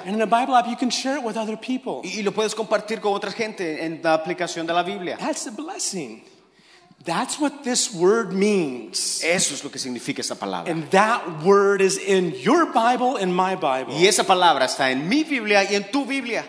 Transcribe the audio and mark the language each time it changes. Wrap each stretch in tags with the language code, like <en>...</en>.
<en>And in the Bible app, you can share it with other people.</en> <es>Y lo puedes compartir con otra gente en la aplicación de la Biblia.</es> <en>That's a blessing. That's what this word means.</en> <es>Eso es lo que significa esa palabra.</es> <en>And that word is in your Bible and my Bible.</en> <es>Y esa palabra está en mi Biblia y en tu Biblia.</es>